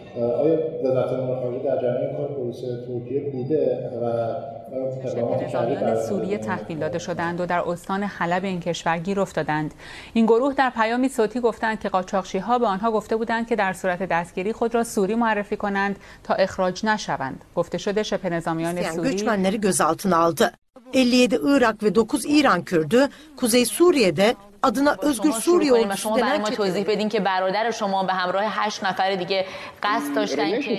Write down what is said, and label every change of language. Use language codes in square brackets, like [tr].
[fa] آیا وزارت امور خارجه در جریان کار پلیس ترکیه بوده و شبه‌نظامیان سوریه تحویل داده شدند و در استان حلب این کشور گیر افتادند. این گروه در پیامی صوتی گفتند که قاچاقچی‌ها به آنها گفته بودند که در صورت دستگیری خود را سوری معرفی کنند تا اخراج نشوند. گفته شده شبه‌نظامیان سوری [tr] göçmenleri gözaltına aldı. 57 Irak ve 9 İran Kürdü Kuzey Suriye'de adına Özgür Suriye ordusu denen çete. [fa] توضیح بدین که برادر شما به همراه 8 نفر دیگه قصد داشتن